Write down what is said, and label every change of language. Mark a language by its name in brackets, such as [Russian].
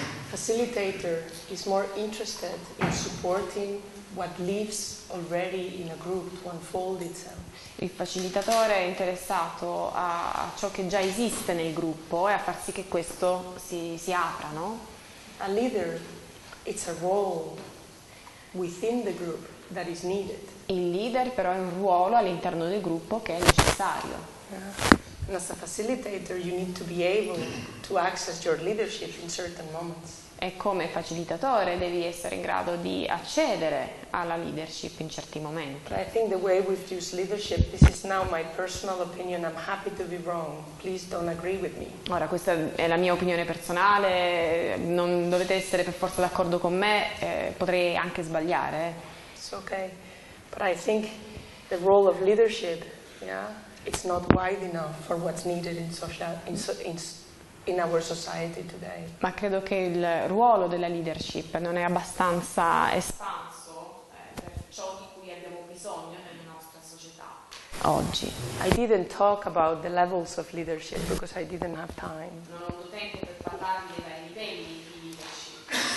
[English] Facilitator is more interested in supporting what lives already in a group to unfold itself. [Italian] Il facilitatore è interessato a ciò che già esiste nel gruppo e a far sì che questo si apra, no? [English] A leader, it's a role within the group that is needed. [Italian] Il leader però è un ruolo all'interno del gruppo che è necessario. [English] Yeah. As a facilitator you need to be able to access your leadership in certain moments. [Italian] E come facilitatore devi essere in grado di accedere alla leadership in certi momenti. [English] I think the way we've used leadership, this is now my personal opinion, I'm happy to be wrong, please don't agree with me. [Italian] Ora, questa è la mia opinione personale, non dovete essere per forza d'accordo con me, potrei anche sbagliare. [English] It's okay, but I think the role of leadership, yeah, it's not wide enough for what's needed in social, in our society today. [Italian] Ma credo che il ruolo della leadership non è abbastanza espanso per ciò di cui abbiamo bisogno nella nostra società oggi. [English] I didn't talk about the levels of leadership because I didn't have time. [Italian] Non ho avuto tempo per parlarvi dei livelli di leadership.